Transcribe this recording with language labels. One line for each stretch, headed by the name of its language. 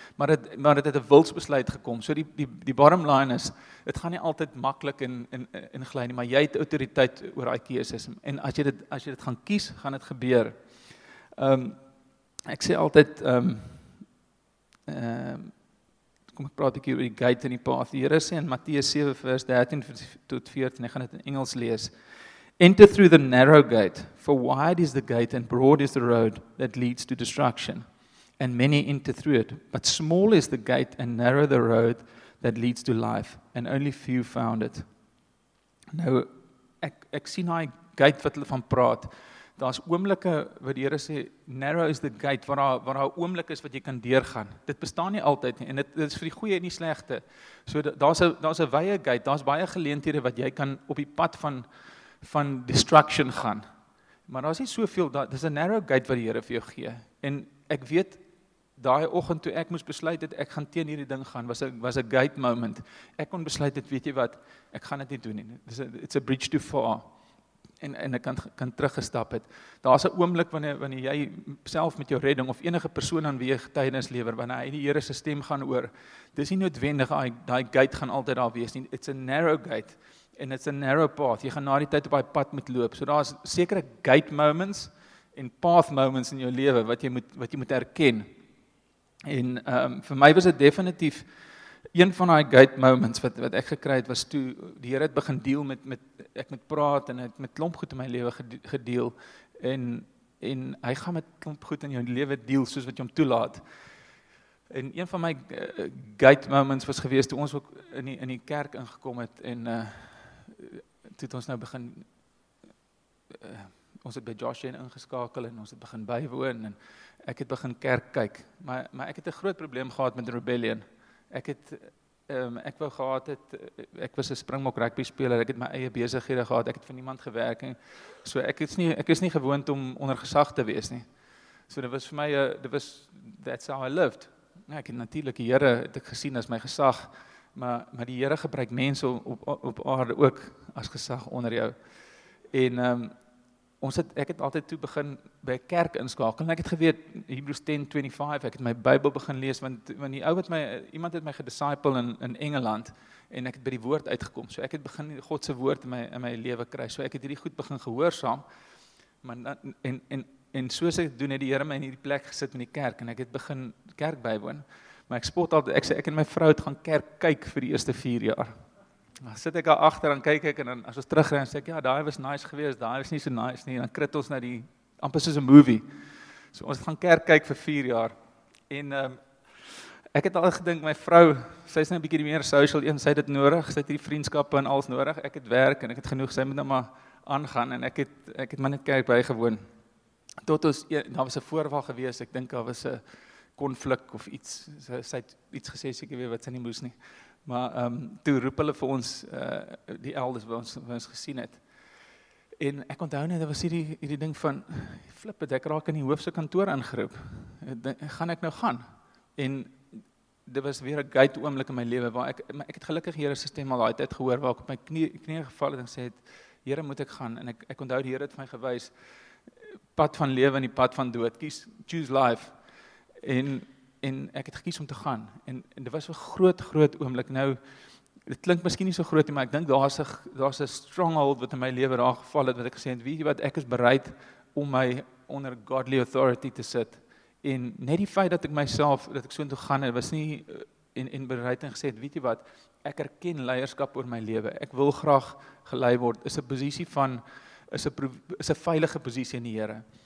Afrikaans: Maar dit het 'n wilsbesluit gekom. So die bottom line is, dit gaan nie altyd maklik in gly nie, maar jy het autoriteit oor daai keuses. En as jy dit gaan kies, gaan dit gebeur. Ek sê altyd kom ek praat ek hier oor die gate en die path. Die Here sê in Matteus 7 vers 13 tot 14, ek gaan dit in Engels lees.
English: Enter through the narrow gate, for wide is the gate and broad is the road that leads to destruction, and many enter through it. But small is the gate and narrow the road that leads to life, and only few found it.
Afrikaans: Nou, ek sien daai gate wat hulle van praat. Daar's oomblikke wat die Here sê,
English: narrow is the gate,
Afrikaans: waar daar oomblik is wat jy kan deurgaan. Dit bestaan nie altyd nie, en dit is vir die goeie en die slegte. So daar's 'n wye gate, daar's baie geleenthede wat jy kan op die pad van destruction gaan. Maar daar is nie soveel, dis 'n narrow gate wat die Here vir jou gee. En ek weet, daai oggend toe ek moes besluit het, ek gaan teen hierdie ding gaan, was a gate moment. Ek kon besluit het, weet jy wat, ek gaan dit nie doen nie.
English: It's a bridge too far.
Afrikaans: En ek kan teruggestap het. Daar is 'n oomblik wanneer jy self met jou redding, of enige persoon aan wie jy getuienis lewer, wanneer hy die Here se stem gaan oor, dis nie noodwendig, daai gate gaan altyd daar wees nie.
English: It's a narrow gate.
Afrikaans: En
English: it's a narrow path.
Afrikaans: Jy gaan na die tyd op die pad moet loop. So daar is sekere gate moments en path moments in jou lewe wat jy moet erken. En vir my was dit definitief een van daai gate moments wat ek gekry het, was toe die Here het begin deel met ek moet praat en het met klomp goed in my lewe gedeel. En hy gaan met klomp goed in jou lewe deel soos wat jy hom toelaat. En een van my gate moments was gewees toe ons ook in die kerk ingekom het en toe het ons nou begin, ons het by Joshua ingeskakel en ons het begin bywoon en ek het begin kerk kyk, maar ek het 'n groot probleem gehad met rebellion. Ek was 'n Springbok rugby speler, ek het my eie besighede gehad, ek het vir niemand gewerk en so ek is nie gewoond om onder gesag te wees nie. So dit was vir my,
English: that's how I lived.
Afrikaans: Ek het natuurlik die Here het ek gesien as my gesag, maar die Here gebruik mense op aarde ook as gesag onder jou. En ek het altyd toe begin by kerk inskakel en ek het geweet Hebrews 10:25, ek het my Bybel begin lees want die ou wat my iemand het my gedisciple in Engeland en ek het by die woord uitgekom. So ek het begin God se woord in my lewe kry. So ek het hierdie goed begin gehoorsaam. Maar en soos ek doen het die Here my in hierdie plek gesit in die kerk en ek het begin kerk bywoon. Maar ek spot altyd, ek sê ek en my vrou het gaan kerk kyk vir die eerste 4 jaar. Dan sit ek daar agter en kyk ek en dan as ons terugry en sê ek ja, daai was nice geweest, daai was nie so nice nie en dan krit ons na die amper soos 'n movie. So ons het gaan kerk kyk vir 4 jaar. En ek het al gedink my vrou, sy's nou 'n bietjie meer social een, sy het dit nodig, sy het hierdie vriendskappe en alles nodig. Ek het werk en ek het genoeg, sy moet nou maar aangaan en ek het maar net kerk bygewoon. Tot ons daar was 'n voorval geweest, ek dink daar was 'n konflik of iets, sy het iets gesê, seker weet wat sy nie moes nie, Maar toe roep hulle vir ons die elders wat ons gesien het. En ek onthou net, dat was hierdie ding van, flip het, ek raak in die hoofse kantoor ingeroep. Gaan ek nou gaan? En dit was weer een gate oomblik in my leven, waar ek het gelukkig Here se stem al daai tyd gehoor, waar ek op my knie geval het en sê het, Here moet ek gaan. En ek onthou die Here het my gewys, pad van leven en die pad van dood,
English: choose life.
Afrikaans: En ek het gekies om te gaan, en dit was so groot oomblik. Nou, dit klink miskien nie so groot nie, maar ek dink daar is 'n stronghold wat in my lewe daar geval het, wat ek gesê het, weet jy wat, ek is bereid om my onder
English: godly authority
Afrikaans: te sit, en net die feit dat ek myself, dat ek so intoe gaan het, was nie, en bereid en gesê het, weet jy wat, ek erken leierskap oor my lewe, ek wil graag gelei word, is 'n veilige posisie in die Here.